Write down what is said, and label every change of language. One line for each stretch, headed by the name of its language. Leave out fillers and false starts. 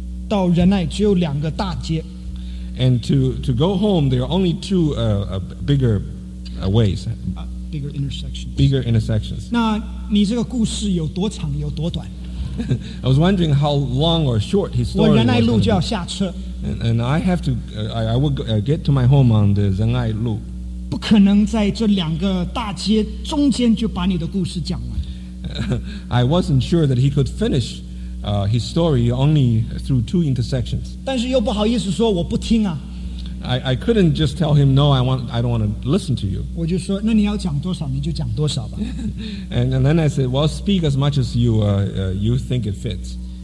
Chinese: 和平东路到信义到仁爱只有两个大街。
English: And to go home, there are only two bigger ways. Bigger intersections. Bigger intersections.
Chinese: 那你这个故事有多长有多短？
English: I was wondering how long or short his story was.
Chinese: 我仁爱路就要下车。
English: And I have to, I would get to my home on the 仁爱路。
Chinese: 不可能在这两个大街中间就把你的故事讲完。
English: I wasn't sure that he could finish his story only through two intersections.
Chinese: 但是又不好意思说我不听啊。
English: I couldn't just tell him, no, I don't want to listen to you.
Chinese: 我就说，那你要讲多少，你就讲多少吧。
English: And then I said, well, speak as much as you think it fits.